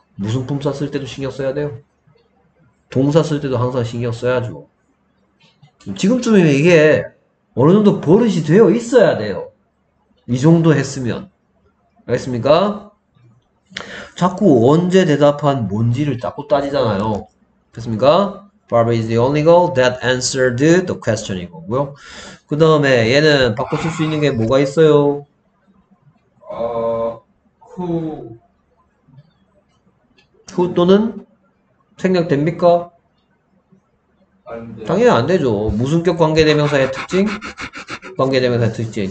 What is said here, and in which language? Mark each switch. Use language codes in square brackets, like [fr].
[ko] 무슨 품사 쓸 때도 신경 써야 돼요. 동사 쓸 때도 항상 신경 써야죠. 지금쯤이면 이게 어느 정도 버릇이 되어 있어야 돼요. 이 정도 했으면. 알겠습니까? 자꾸 언제 대답한 뭔지를 자꾸 따지잖아요. 됐습니까? [en] Barbie is the only girl that answered the question 이거고요. [ko] 그 다음에 얘는 바꿔줄 수 있는 게 뭐가 있어요? [en] Who [ko] 또는 생략됩니까? 당연히 안 되죠. 무슨 격 관계대명사의 특징? 관계대명사의 특징.